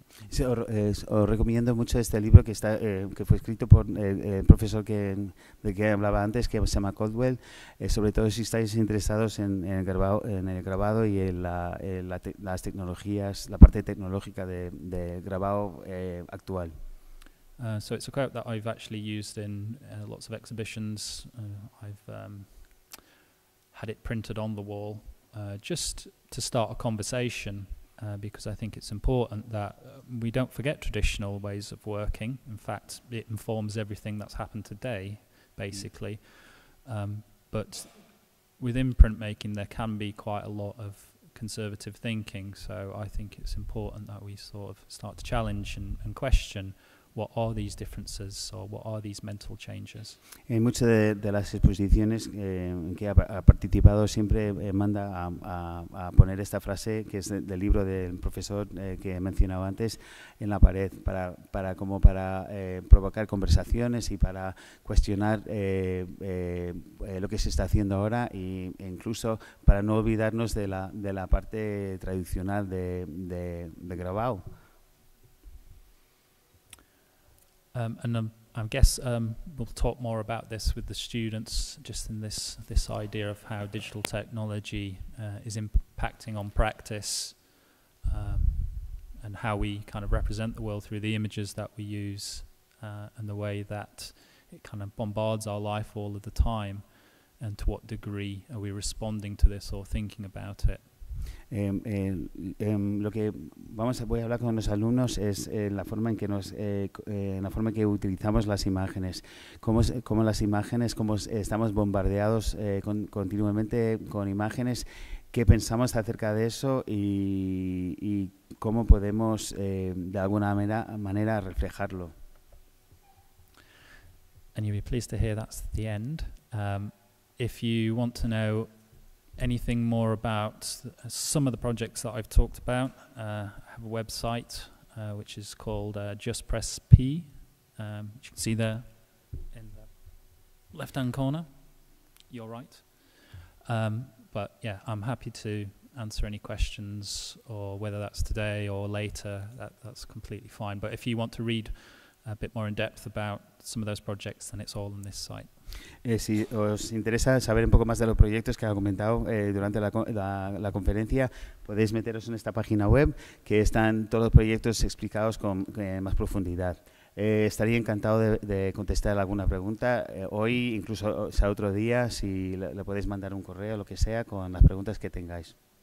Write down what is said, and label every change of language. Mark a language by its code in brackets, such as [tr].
[es] Os recomiendo mucho este libro que fue escrito por el profesor de que hablaba antes, que se llama Caldwell, sobre todo si estáis interesados en el grabado y las tecnologías, la parte tecnológica del grabado actual. [en] So it's a quote that I've actually used in lots of exhibitions. I've had it printed on the wall just to start a conversation, because I think it's important that we don't forget traditional ways of working. In fact, it informs everything that's happened today, basically. But within printmaking, there can be quite a lot of conservative thinking. So I think it's important that we sort of start to challenge and question what are these differences or what are these mental changes? [es] En muchas de las exposiciones en que ha participado siempre manda a poner esta frase que es del libro del profesor que he mencionado antes en la pared para provocar conversaciones y para cuestionar lo que se está haciendo ahora e incluso para no olvidarnos de la parte tradicional de grabado. [en] And I guess we'll talk more about this with the students, just in this idea of how digital technology is impacting on practice and how we kind of represent the world through the images that we use and the way that it kind of bombards our life all of the time, and to what degree are we responding to this or thinking about it. [es] Lo que voy a hablar con los alumnos es la forma en que utilizamos las imágenes, cómo estamos bombardeados continuamente con imágenes, qué pensamos acerca de eso y cómo podemos de alguna manera reflejarlo. [en] And you'll be pleased to hear that's the end. If you want to know anything more about some of the projects that I've talked about, I have a website which is called Just Press P, which you can see there in the left hand corner, your right. But yeah, I'm happy to answer any questions, or whether that's today or later, that's completely fine. But if you want to read a bit more in depth about some of those projects, then it's all on this site. [es] Si os interesa saber un poco más de los proyectos que ha comentado durante la conferencia, podéis meteros en esta página web, que están todos los proyectos explicados con más profundidad. Estaría encantado de contestar alguna pregunta hoy, incluso sea otro día, si le podéis mandar un correo o lo que sea con las preguntas que tengáis.